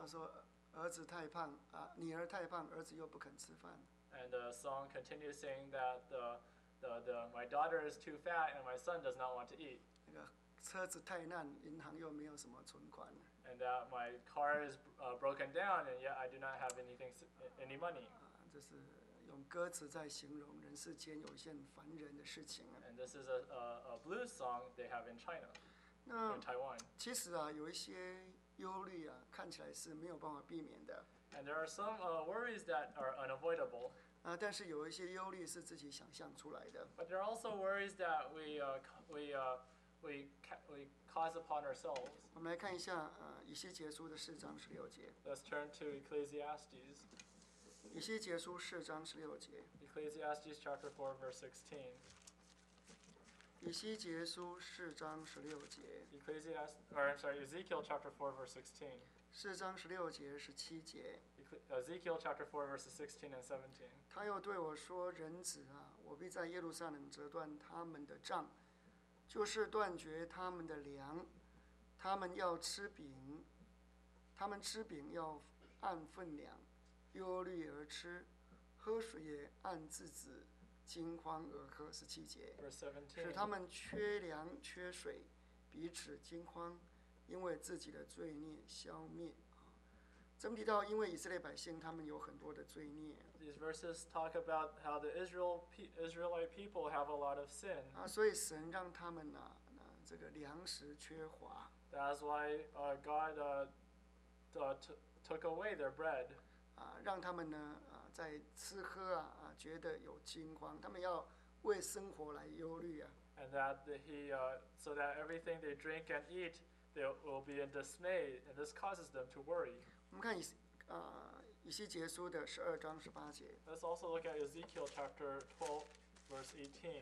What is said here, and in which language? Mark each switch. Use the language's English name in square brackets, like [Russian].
[Chinese] 他说儿子太胖啊，女儿太胖，儿子又不肯吃饭。 [English] And the song continues saying that the my daughter is too fat and my son does not want to eat. [Chinese] 那个车子太烂，银行又没有什么存款。 [English] And that my car is broken down and yet I do not have any money. [Chinese] 这是用歌词在形容人世间有些烦人的事情。 [English] And this is a blues song they have in China. [Chinese] 那 [English] in Taiwan. [Chinese] 其实啊，有一些忧虑啊，看起来是没有办法避免的。 [English] And there are some worries that are unavoidable. [Chinese] 但是有一些忧虑是自己想象出来的。 [English] But there are also worries that we cause upon ourselves. [Chinese] 我们来看一下以西结书的四章十六节。 [English] Let's turn to Ecclesiastes. [Chinese] 以西结书四章十六节。 [English] Ecclesiastes chapter 4 verse 16. [Chinese] 以西结书四章十六节。 [English] Ezekiel chapter 4 verse 16. [Chinese] 四章十六节十七节。 [English] Ezekiel chapter 4 verse 16 and 17. [Chinese] 他又对我说：“人子啊，我必在耶路撒冷折断他们的杖。” 就是断绝他们的粮，他们要吃饼，他们吃饼要按分量，忧虑而吃，喝水也按自己，惊慌而喝。十七节，使他们缺粮缺水，彼此惊慌，因为自己的罪孽消灭。这么提到，因为以色列百姓他们有很多的罪孽。 [English] These verses talk about how the Israelite people have a lot of sin. [Chinese] 所以神让他们这个粮食缺乏。 [English] That's why God took away their bread. [Chinese] 让他们在吃喝觉得有惊慌，他们要为生活来忧虑啊。 [English] And that so that everything they drink and eat, they will be in dismay, and this causes them to worry. [Chinese] 我们看以西结书的十二章十八节。 [English] Let's also look at Ezekiel chapter 12, verse 18.